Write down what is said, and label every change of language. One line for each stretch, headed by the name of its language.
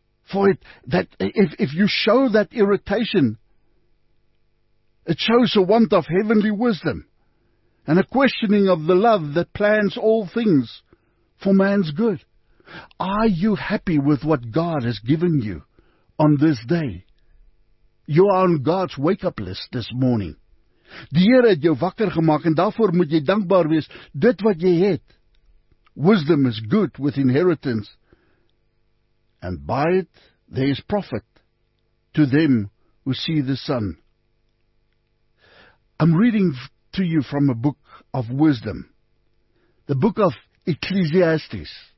English: For it, that if you show that irritation, it shows a want of heavenly wisdom and a questioning of the love that plans all things for man's good. Are you happy with what God has given you on this day? You are on God's wake-up list this morning.
Afrikaans: Die Here het jou wakker gemaakt en daarvoor moet jy dankbaar wees, dit wat jy het.
English: Wisdom is good with inheritance, and by it there is profit to them who see the sun. I'm reading to you from a book of wisdom, the book of Ecclesiastes.